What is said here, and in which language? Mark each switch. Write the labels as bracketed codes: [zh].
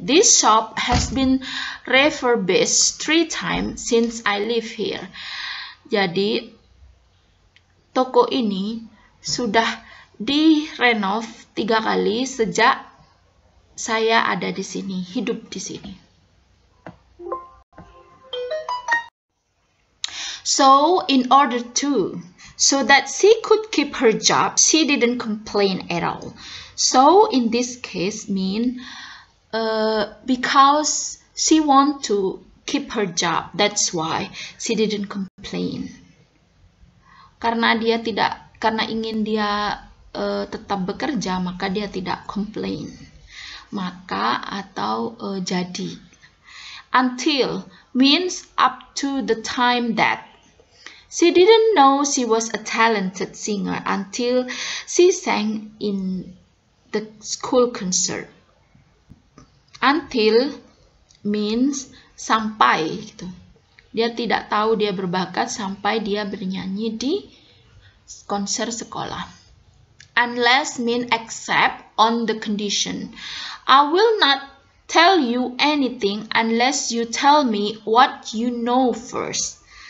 [en] This shop has been refurbished 3 times since I live here. [id] Jadi, toko ini sudah direnov 3 kali sejak saya ada di sini, hidup di sini. [en] So, in order to, so that she could keep her job, she didn't complain at all. So, in this case, mean because she want to keep her job, that's why she didn't complain. [id] Karena ingin dia tetap bekerja, maka dia tidak complain. Maka atau jadi. [en] Until means up to the time that. She didn't know she was a talented singer until she sang in the school concert. Until means [id] sampai gitu. Dia tidak tahu dia berbakat sampai dia bernyanyi di konser sekolah. [en] Unless mean except on the condition. I will not tell you anything unless you tell me what you know first.